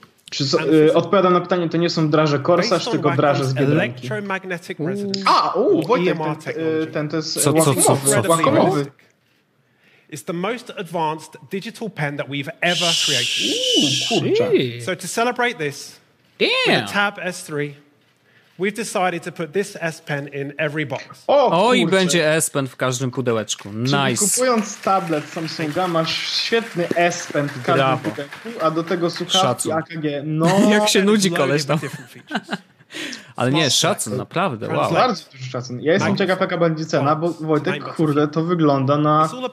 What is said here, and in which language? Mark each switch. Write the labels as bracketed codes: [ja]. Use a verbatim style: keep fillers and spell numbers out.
[pl] Czy so, y, odpowiadam na pytanie, to nie są draże Corsaż, tylko draże z Biedronki. A, u, Wojtek, ten, ten to jest co, co, co, co, łakomowy. [en] It's the most advanced digital pen that we've ever created. Ooh, so to celebrate this, damn. The Tab S three, we've decided to put this S Pen in every box. O, [pl] o i będzie S Pen w każdym pudełeczku. [en] Nice. [pl] Czyli kupując tablet Samsunga masz świetny S Pen w każdym Brawo. pudełku, a do tego słuchawki A K G. No, jak się nudzi koleś tam. Ale nie, szacun, naprawdę, wow. Bardzo duży szacun. Ja jestem ciekaw, jaka będzie cena, bo Wojtek, kurde, to wygląda na...